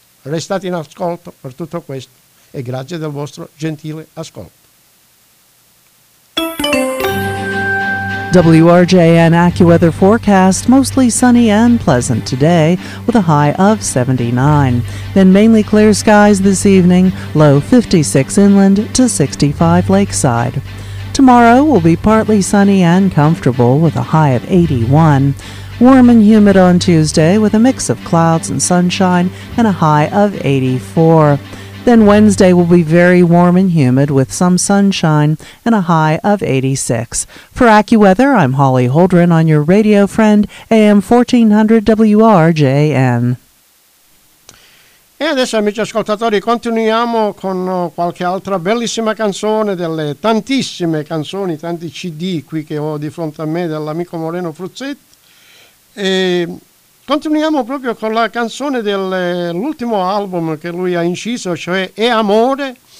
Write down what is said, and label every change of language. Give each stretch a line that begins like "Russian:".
Italian: Restate in ascolto per tutto questo e grazie del vostro gentile ascolto.
English: WRJN AccuWeather forecast, mostly sunny and pleasant today with a high of 79. Then mainly clear skies this evening, low 56 inland to 65 lakeside. Tomorrow will be partly sunny and comfortable with a high of 81. Warm and humid on Tuesday with a mix of clouds and sunshine and a high of 84. Then Wednesday will be very warm and humid with some sunshine and a high of 86. For AccuWeather, I'm Holly Holdren on your radio friend, AM 1400 WRJN.
Italian: E adesso, amici ascoltatori, continuiamo con qualche altra bellissima canzone, delle tantissime canzoni, tanti CD qui che ho di fronte a me dell'amico Moreno Fruzzetti. E continuiamo proprio con la canzone dell'ultimo album che lui ha inciso, cioè E Amore.